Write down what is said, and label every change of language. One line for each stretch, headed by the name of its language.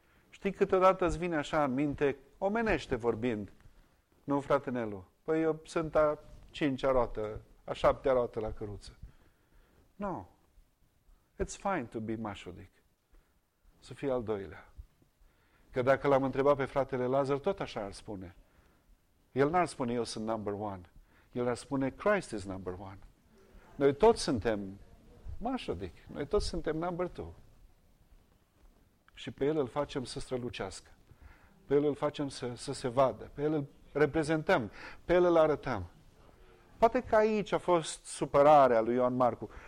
Romanian: Știi, câteodată îți vine așa în minte, omenește vorbind, nu, frate Nelu? Păi eu sunt a cincea roată, a șaptea roată la căruță. No.
English: It's fine to be mașodic.
Romanian: Să fii al doilea. Că dacă l-am întrebat pe fratele Lazar, tot așa ar spune. El n-ar spune, eu sunt
English: number one.
Romanian: El ar spune,
English: Christ is number one.
Romanian: Noi toți suntem mașodic. Noi toți suntem
English: number two.
Romanian: Și pe el îl facem să strălucească. Pe el îl facem să se vadă. Pe el îl reprezentăm. Pe el îl arătăm. Poate că aici a fost supărarea lui Ioan Marcu.